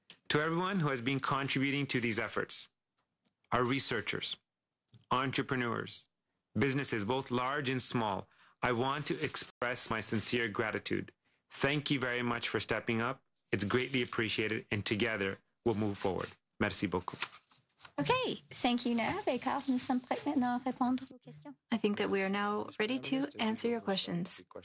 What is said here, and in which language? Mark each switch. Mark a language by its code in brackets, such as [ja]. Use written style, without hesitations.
[en] To everyone who has been contributing to these efforts, our researchers, entrepreneurs, businesses, both large and small, I want to express my sincere gratitude. Thank you very much for stepping up. It's greatly appreciated, and together we'll move forward. [fr] Merci beaucoup. [en] Okay, thank you, Nav. [fr] Carl, nous sommes prêts maintenant à répondre aux questions. [en] I think that we are now ready to answer your questions.